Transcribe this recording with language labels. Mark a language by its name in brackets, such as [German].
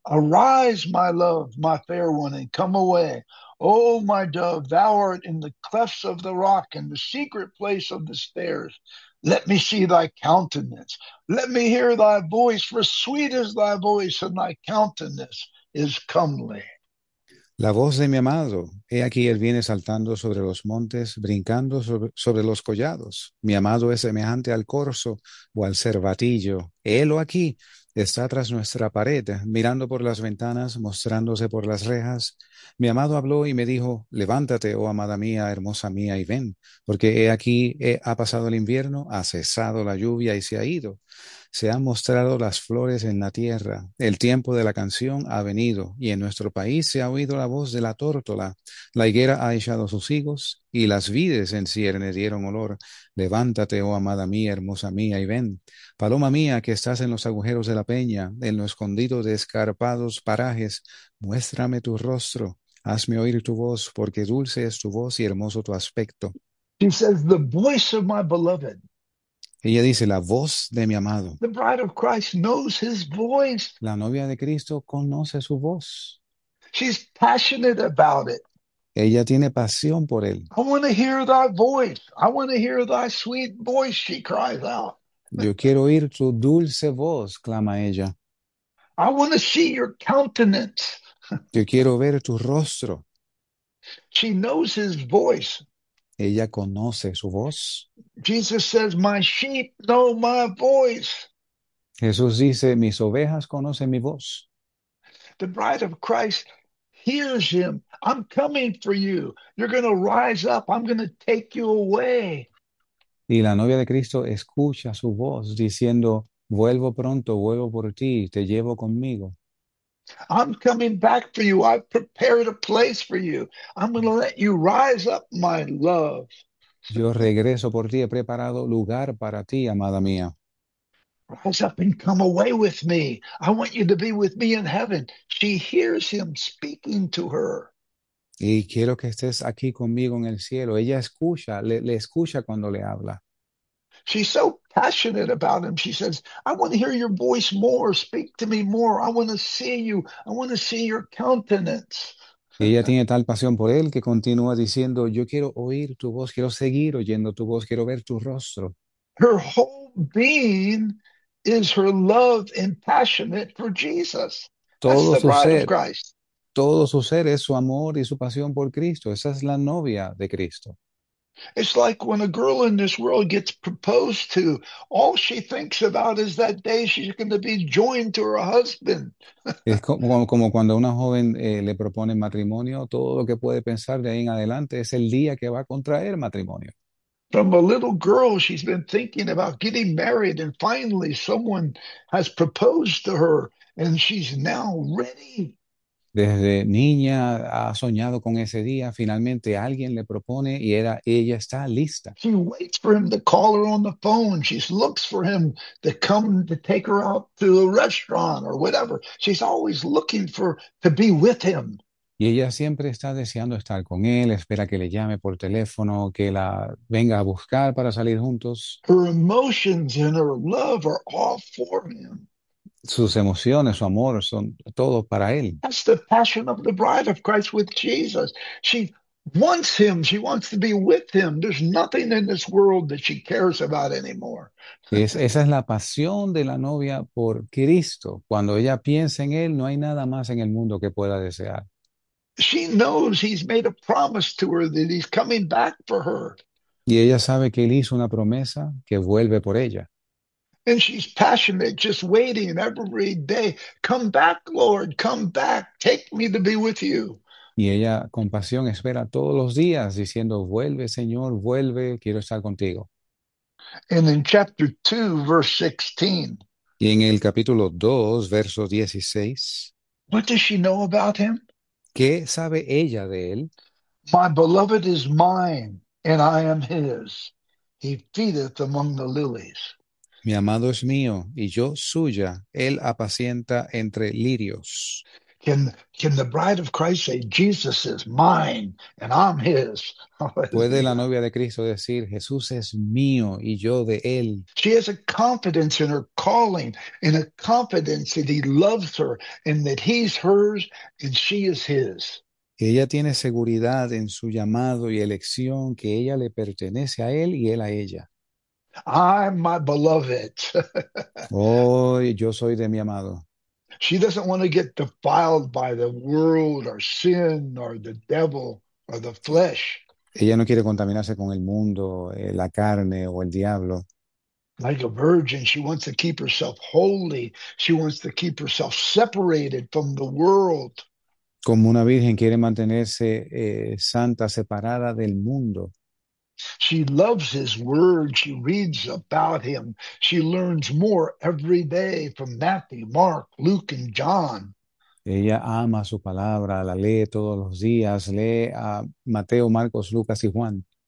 [English] Arise, my love, my fair one, and come away. Oh, my dove, thou art in the clefts of the rock, in the secret place of the stairs. Let me see thy countenance. Let me hear thy voice, for sweet is thy voice, and thy countenance is comely. [Spanish] La voz de mi amado, he aquí él viene saltando sobre los montes, brincando sobre los collados. Mi amado es semejante al corzo o al cervatillo. Helo aquí, está tras nuestra pared, mirando por las ventanas, mostrándose por las rejas. Mi amado habló y me dijo: levántate, oh amada mía, hermosa mía, y ven, porque he aquí ha pasado el invierno, ha cesado la lluvia y se ha ido. Se han mostrado las flores en la tierra, el tiempo de la canción ha venido, y en nuestro país se ha oído la voz de la tórtola. La higuera ha echado sus higos, y las vides en ciernes dieron olor. Levántate, oh amada mía, hermosa mía, y ven. Paloma mía, que estás en los agujeros de la peña, en lo escondido de escarpados parajes, muéstrame tu rostro, hazme oír tu voz, porque dulce es tu voz y hermoso tu aspecto. [English] She says, the voice of my beloved. [Spanish] Ella dice, la voz de mi amado. [English] The bride of Christ knows his voice. [Spanish] La novia de Cristo conoce su voz. [English] She's passionate about it. [Spanish] Ella tiene pasión por él. [English] I want to hear thy voice. I want to hear thy sweet voice, she cries out. [Spanish] Yo quiero oír tu dulce voz, clama ella. [English] I want to see your countenance. [Spanish] Yo quiero ver tu rostro. [English] She knows his voice. [Spanish] Ella conoce su voz. [English] Jesus says, my sheep know my voice. [Spanish] Jesús dice, mis ovejas conocen mi voz. [English] The bride of Christ hears him. I'm coming for you. You're going to rise up. I'm going to take you away. [Spanish] Y la novia de Cristo escucha su voz diciendo, vuelvo pronto, vuelvo por ti, te llevo conmigo. [English] I'm coming back for you. I've prepared a place for you. I'm going to let you rise up, my love. [Spanish] Yo regreso por ti, he preparado lugar para ti, amada mía. [English] Rise up and come away with me. I want you to be with me in heaven. She hears him speaking to her. [Spanish] Y quiero que estés aquí conmigo en el cielo. Ella escucha, le escucha cuando le habla. [English] She's so passionate about him. She says, I want to hear your voice more. Speak to me more. I want to see you. I want to see your countenance. [Spanish] Ella tiene tal pasión por él que continúa diciendo, yo quiero oír tu voz, quiero seguir oyendo tu voz, quiero ver tu rostro. [English] Her whole being is her love and passionate for Jesus. That's [Spanish] Todo [English] the [Spanish] su [English] bride of [Spanish] ser. [English] Christ. [Spanish] Todo su ser es su amor y su pasión por Cristo. Esa es la novia de Cristo. [English] It's like when a girl in this world gets proposed to, all she thinks about is that day she's going to be joined to her husband. [Spanish] Es como cuando una joven le propone matrimonio, todo lo que puede pensar de ahí en adelante es el día que va a contraer matrimonio. [English] From a little girl, she's been thinking about getting married, and finally, someone has proposed to her, and she's now ready. [Spanish] Desde niña ha soñado con ese día, finalmente alguien le propone y era ella está lista. [English] She waits for him to call her on the phone. She looks for him to come to take her out to a restaurant or whatever. She's always looking for to be with him. [Spanish] Y ella siempre está deseando estar con él, espera que le llame por teléfono, que la venga a buscar para salir juntos. [English] Her emotions and her love are all for him. [Spanish] Sus emociones, su amor son todo para él. [English] That's the passion of the bride of Christ with Jesus. She wants him. She wants to be with him. There's nothing in this world that she cares about anymore. [Spanish] Esa es la pasión de la novia por Cristo. Cuando ella piensa en él, no hay nada más en el mundo que pueda desear. [English] She knows he's made a promise to her that he's coming back for her. [Spanish] Y ella sabe que él hizo una promesa que vuelve por ella. [English] And she's passionate, just waiting every day. Come back, Lord, come back. Take me to be with you. [Spanish] Y ella con pasión espera todos los días diciendo, vuelve, Señor, vuelve, quiero estar contigo. [English] And in chapter 2, verse 16, [Spanish] Y en el capítulo 2, verso 16, [English] what does she know about him? [Spanish] ¿qué sabe ella de él? [English] My beloved is mine, and I am his. He feedeth among the lilies. [Spanish] Mi amado es mío y yo suya. Él apacienta entre lirios. [English] Can the bride of Christ say, Jesus is mine and I'm his? [Spanish] ¿Puede la Hallelujah. novia de Cristo decir, Jesús es mío y yo de él? [English] She has a confidence in her calling and a confidence that he loves her and that he's hers and she is his. [Spanish] Ella tiene seguridad en su llamado y elección, que ella le pertenece a él y él a ella. [English] I'm my beloved. [Spanish] Oh, yo soy de mi amado. [English] She doesn't want to get defiled by the world or sin or the devil or the flesh. [Spanish] Ella no quiere contaminarse con el mundo, la carne o el diablo. [English] Like a virgin, she wants to keep herself holy. She wants to keep herself separated from the world. [Spanish] Como una virgen quiere mantenerse santa, separada del mundo. [English] She loves his word. She reads about him. She learns more every day from Matthew, Mark, Luke, and John. [Spanish] Ella ama su palabra, la lee todos los días, lee a Mateo, Marcos, Lucas y Juan.